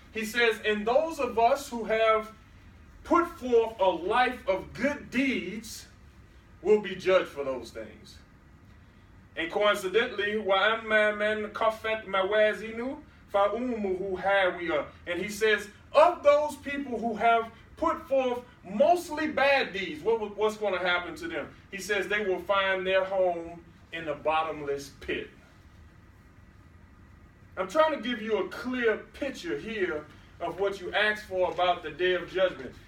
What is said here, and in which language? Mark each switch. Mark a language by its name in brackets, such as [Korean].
[English] He says, and those of us who have put forth a life of good deeds, will be judged for those things. And coincidentally, [Arabic] وَأَمَّا مَنْ كَفَتْ مَوَازِنُ فَأُمُّهُ هَاوِيَةٌ. [English] And he says, of those people who have put forth mostly bad deeds, what's going to happen to them? He says, they will find their home in a bottomless pit. I'm trying to give you a clear picture here of what you ask for about the day of judgment.